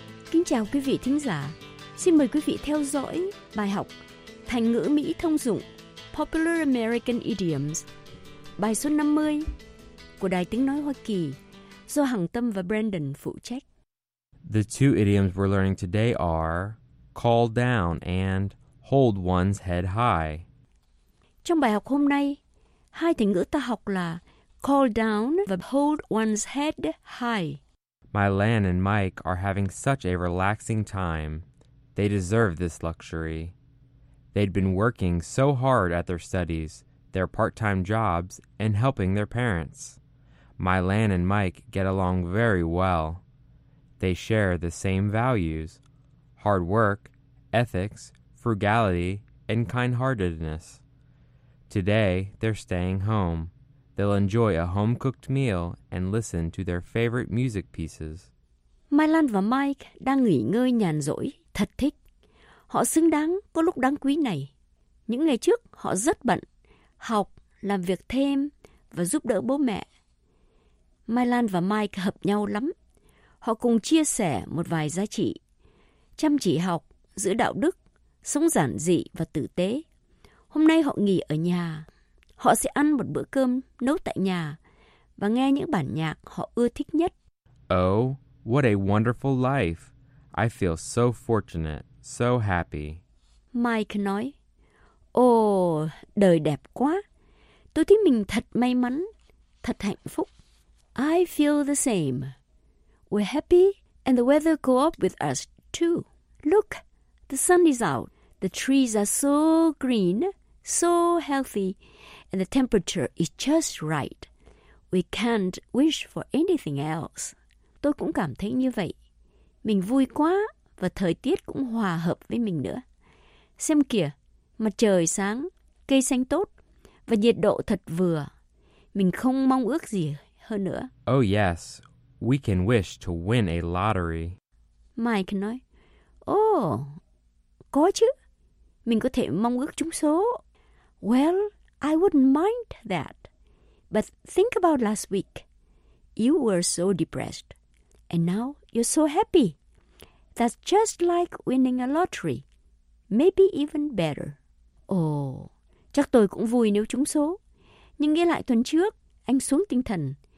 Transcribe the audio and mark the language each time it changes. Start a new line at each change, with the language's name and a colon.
Vietnamese: Kính chào quý vị thính giả. Xin mời quý vị theo dõi bài học thành ngữ Mỹ thông dụng
English: Popular American Idioms,
Vietnamese: bài số 50 của Đài Tiếng Nói Hoa Kỳ, do Hằng Tâm và Brandon phụ trách.
English: The two idioms we're learning today are call down and hold one's head high.
Vietnamese: Trong bài học hôm nay, hai thành ngữ ta học là call down và
English: hold one's head high. My Lan and Mike are having such a relaxing time. They deserve this luxury. They'd been working so hard at their studies, their part-time jobs, and helping their parents. My Lan and Mike get along very well. They share the same values: hard work, ethics, frugality, and kind-heartedness. Today, they're staying home. They'll enjoy a home-cooked meal and listen to their favorite music pieces.
Vietnamese: My Lan và Mike đang nghỉ ngơi nhàn rỗi, thật thích. Họ xứng đáng có lúc đáng quý này. Những ngày trước, họ rất bận, học, làm việc thêm và giúp đỡ bố mẹ. My Lan và Mike hợp nhau lắm. Họ cùng chia sẻ một vài giá trị. Chăm chỉ học, giữ đạo đức, sống giản dị và tử tế. Hôm nay họ nghỉ ở nhà. Họ sẽ ăn một bữa cơm nấu tại nhà và nghe những bản nhạc họ ưa thích nhất.
English: Oh, what a wonderful life. I feel so fortunate, so happy.
Vietnamese: Mike nói, Oh, đời đẹp quá. Tôi thấy mình thật may mắn, thật hạnh phúc.
English: I feel the same. We're happy and the weather co-op with us too. Look, the sun is out. The trees are so green, so healthy. And the temperature is just right. We can't wish for anything else.
Vietnamese: Tôi cũng cảm thấy như vậy. Mình vui quá và thời tiết cũng hòa hợp với mình nữa. Xem kìa, mặt trời sáng, cây xanh tốt và nhiệt độ thật vừa. Mình không mong ước gì hơn nữa.
English: Oh yes, we can wish to win a lottery.
Vietnamese: Mike nói, Oh, có chứ. Mình có thể mong ước trúng số.
English: Well, I wouldn't mind that. But think about last week. You were so depressed. And now you're so happy. That's just like winning a lottery. Maybe even better.
Vietnamese: Oh, chắc tôi cũng vui nếu trúng số. Nhưng nghĩ lại tuần trước, anh xuống tinh thần.